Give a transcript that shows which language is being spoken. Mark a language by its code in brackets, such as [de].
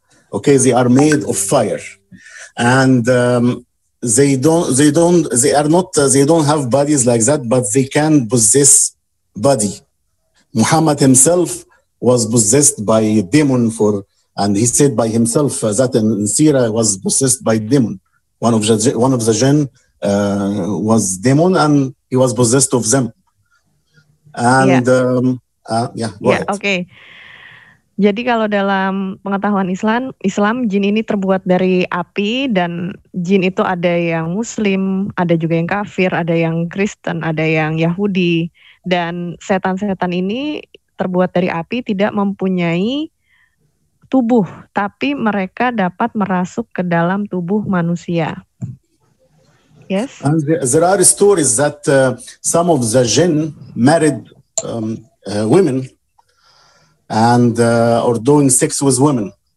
[en] Okay, they are made of fire, and they don't have bodies like that, but they can possess body. Muhammad himself was possessed by a demon for And he said by himself that in Sira was possessed by demon. One of the jinn was demon, and he was possessed of them. Okay. [id] Jadi kalau dalam pengetahuan Islam jin ini terbuat dari api, dan jin itu ada yang Muslim, ada juga yang kafir, ada yang Kristen, ada yang Yahudi, dan setan-setan ini terbuat dari api, tidak mempunyai tubuh, tapi mereka dapat merasuk ke dalam tubuh manusia. [en] Yes. And there are stories that some of the jinn married women and or doing sex with women.